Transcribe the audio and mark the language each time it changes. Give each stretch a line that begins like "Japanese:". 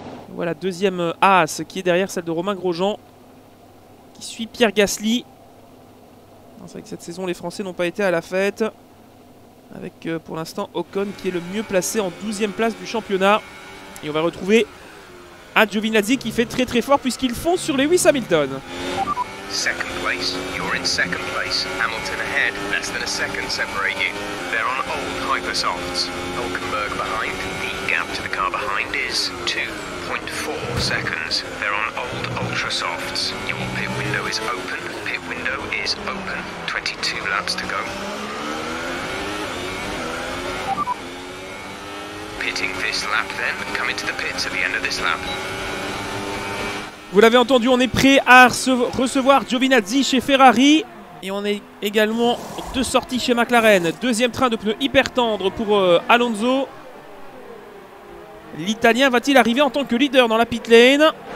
French: Voilà, deuxième Haas qui est derrière celle de Romain Grosjean, qui suit Pierre Gasly. Non, c'est vrai que cette saison, les Français n'ont pas été à la fête. Avec pour l'instant Ocon qui est le mieux placé en 12e place du championnat. Et on va retrouver un Giovinazzi qui fait très très fort puisqu'il fonce sur Lewis Hamilton.
English: Second place, you're in second place. Hamilton ahead, less than a second separate you. They're on old hypersofts. Hülkenberg behind, the gap to the car behind is 2.4 seconds. They're on old ultrasofts. Your pit window is open, pit window is open. 22 laps to go. Pitting this lap then, come into the pits at the end of this lap.
French: Vous l'avez entendu, on est prêt à recevoir Giovinazzi chez Ferrari. Et on est également de sortie chez McLaren. Deuxième train de pneus hyper tendre pour Alonso. L'Italien va-t-il arriver en tant que leader dans la pit lane?